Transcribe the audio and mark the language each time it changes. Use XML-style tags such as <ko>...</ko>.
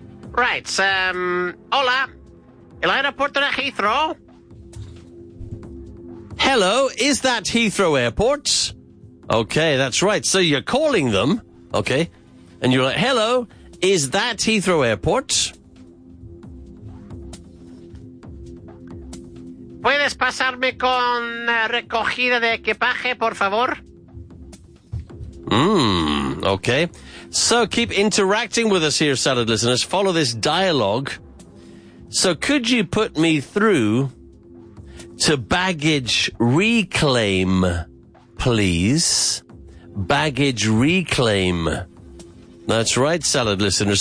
<es>Right, hola, el aeropuerto de Heathrow.</es> <en>Hello, is that Heathrow Airport? Okay, that's right, so you're calling them, okay, and you're like, hello, is that Heathrow Airport?</en> <es>¿Puedes pasarme con recogida de equipaje, por favor?</es> <en>Okay. So keep interacting with us here, salad listeners. Follow this dialogue. So could you put me through to baggage reclaim, please? Baggage reclaim. That's right, salad listeners.</en>